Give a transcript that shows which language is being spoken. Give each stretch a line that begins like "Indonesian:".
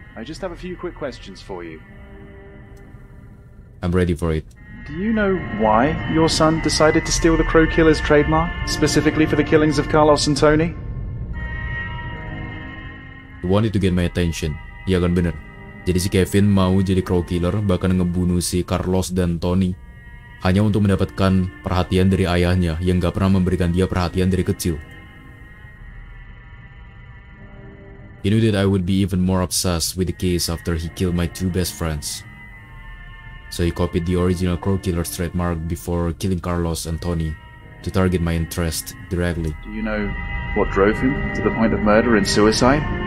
English: I just have a few quick questions for you. I'm ready for it. Do you know why your son decided to steal the Crow Killer's trademark, specifically for the killings of Carlos and Tony? He wanted to get my attention.
Indonesian: Iya kan benar. Jadi si Kevin mau jadi Crow Killer, bahkan ngebunuh si Carlos dan Tony hanya untuk mendapatkan perhatian dari ayahnya yang gak pernah memberikan dia perhatian dari kecil.
English: He knew that I would be even more obsessed with the case after he killed my two best friends. So he copied the original Crow Killer's trademark before killing Carlos and Tony to target my interest directly. Do you know what drove him to the point of murder and suicide?